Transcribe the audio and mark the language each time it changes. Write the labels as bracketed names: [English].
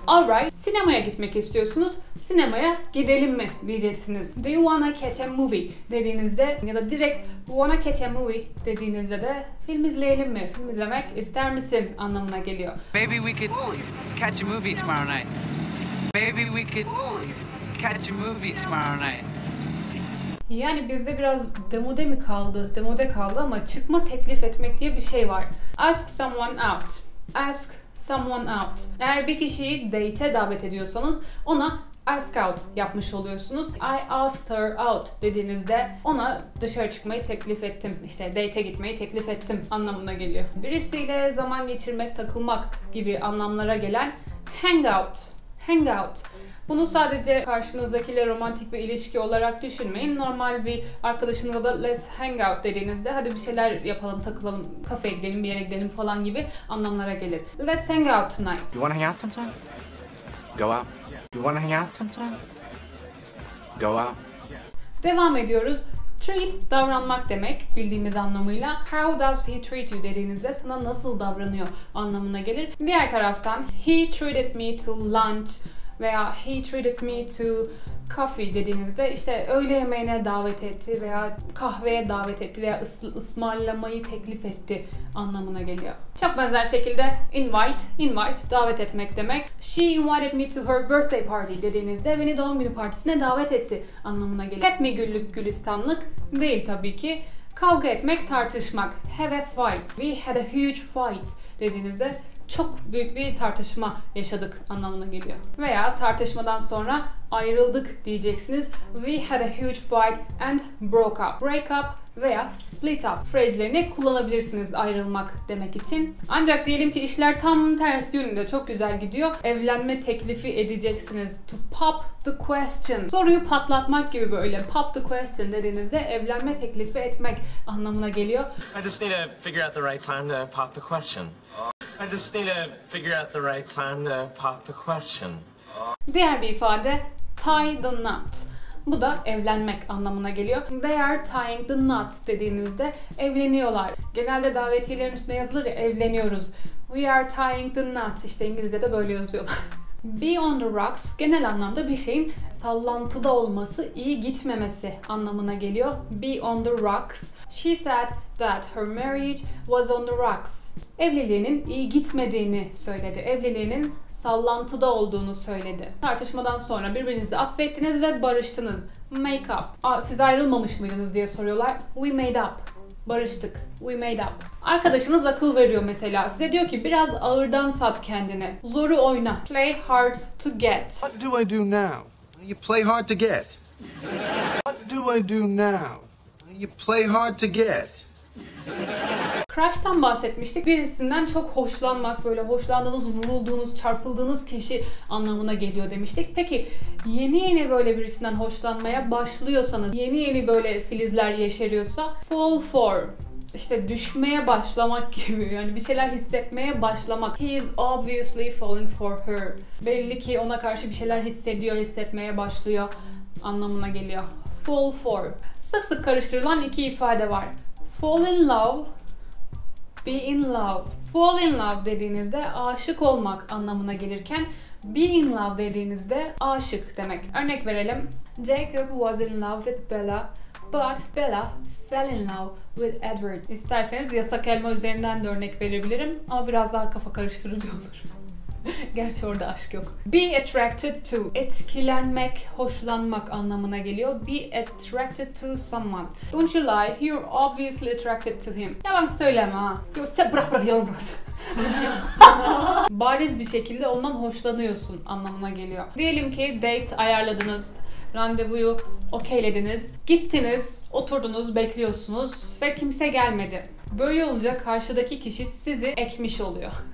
[Turkish] Alright, sinemaya gitmek istiyorsunuz. Sinemaya gidelim mi diyeceksiniz. [English] Do you wanna catch a movie [Turkish] dediğinizde ya da direkt [English] wanna catch a movie [Turkish] dediğinizde de film izleyelim mi, film izlemek ister misin anlamına geliyor. [English] Maybe we could catch a movie tomorrow night. Maybe we could catch a movie tomorrow night. [Turkish] Yani bizde biraz demode mi kaldı? Demode kaldı ama çıkma, teklif etmek diye bir şey var. [English] Ask someone out. Ask someone out. [Turkish] Eğer bir kişiyi date'e davet ediyorsanız ona ask out yapmış oluyorsunuz. [English] I asked her out [Turkish] dediğinizde ona dışarı çıkmayı teklif ettim. İşte date'e gitmeyi teklif ettim anlamına geliyor. Birisiyle zaman geçirmek, takılmak gibi anlamlara gelen hang out. Hang out. Bunu sadece karşınızdakiyle romantik bir ilişki olarak düşünmeyin. Normal bir arkadaşınıza da [English] let's hang out [Turkish] dediğinizde hadi bir şeyler yapalım, takılalım, kafeye gidelim, bir yere gidelim falan gibi anlamlara gelir. [English] Let's hang out tonight. You wanna hang out sometime? Go out. You wanna hang out sometime? Go out. [Turkish] Devam ediyoruz. Treat davranmak demek bildiğimiz anlamıyla. [English] How does he treat you [Turkish] dediğinizde sana nasıl davranıyor anlamına gelir. Diğer taraftan [English] he treated me to lunch [Turkish] veya [English] he treated me to coffee [Turkish] dediğinizde işte öğle yemeğine davet etti veya kahveye davet etti veya ısmarlamayı teklif etti anlamına geliyor. Çok benzer şekilde invite, invite davet etmek demek. [English] She invited me to her birthday party [Turkish] dediğinizde beni doğum günü partisine davet etti anlamına geliyor. Hep mi güllük gülistanlık? Değil tabii ki. Kavga etmek, tartışmak. [English] Have a fight. We had a huge fight [Turkish] dediğinizde çok büyük bir tartışma yaşadık anlamına geliyor. Veya tartışmadan sonra ayrıldık diyeceksiniz. [English] We had a huge fight and broke up. [Turkish] Break up veya split up frazlerini kullanabilirsiniz ayrılmak demek için. Ancak diyelim ki işler tam ters yönünde çok güzel gidiyor. Evlenme teklifi edeceksiniz. [English] To pop the question. [Turkish] Soruyu patlatmak gibi böyle. [English] Pop the question [Turkish] dediğinizde evlenme teklifi etmek anlamına geliyor. [English] I just need to figure out the right time to pop the question. I just need to figure out the right time to pop the question. [Turkish] Diğer bir ifade [English] tie the knot. [Turkish] Bu da evlenmek anlamına geliyor. [English] They are tying the knot [Turkish] dediğinizde evleniyorlar. Genelde davetiyelerin üstünde yazılır ya evleniyoruz. [English] We are tying the knot. [Turkish] İşte İngilizce'de böyle yazıyorlar. [English] Be on the rocks [Turkish] genel anlamda bir şeyin sallantıda olması, iyi gitmemesi anlamına geliyor. [English] Be on the rocks. She said that her marriage was on the rocks. [Turkish] Evliliğinin iyi gitmediğini söyledi. Evliliğinin sallantıda olduğunu söyledi. Tartışmadan sonra birbirinizi affettiniz ve barıştınız. [English] Make up. [Turkish] Siz ayrılmamış mıydınız diye soruyorlar. [English] We made up. [Turkish] Barıştık. We made up. Arkadaşınız akıl veriyor mesela. Size diyor ki biraz ağırdan sat kendini. Zoru oyna. [English] Play hard to get. What do I do now? You play hard to get. What do I do now? You play hard to get. [Turkish] Crush'tan bahsetmiştik. Birisinden çok hoşlanmak, böyle hoşlandığınız, vurulduğunuz, çarpıldığınız kişi anlamına geliyor demiştik. Peki yeni yeni böyle birisinden hoşlanmaya başlıyorsanız, yeni yeni böyle filizler yeşeriyorsa, [English] fall for, [Turkish] işte düşmeye başlamak gibi, yani bir şeyler hissetmeye başlamak. [English] He is obviously falling for her. [Turkish] Belli ki ona karşı bir şeyler hissediyor, hissetmeye başlıyor anlamına geliyor. Fall for. Sık sık karıştırılan iki ifade var. [English] Fall in love, be in love. Fall in love [Turkish] dediğinizde aşık olmak anlamına gelirken, [English] be in love [Turkish] dediğinizde aşık demek. Örnek verelim. [English] Jacob was in love with Bella, but Bella fell in love with Edward. [Turkish] İsterseniz yasak elma üzerinden de örnek verebilirim ama biraz daha kafa karıştırıcı olur. Gerçi orada aşk yok. [English] Be attracted to. [Turkish] Etkilenmek, hoşlanmak anlamına geliyor. [English] Be attracted to someone. Don't you lie, you're obviously attracted to him. [Turkish] Yalan söyleme ha. Yo, sen bırak yalan bırak. Bariz bir şekilde ondan hoşlanıyorsun anlamına geliyor. Diyelim ki date ayarladınız. Randevuyu okeylediniz. Gittiniz, oturdunuz, bekliyorsunuz ve kimse gelmedi. Böyle olunca karşıdaki kişi sizi ekmiş oluyor.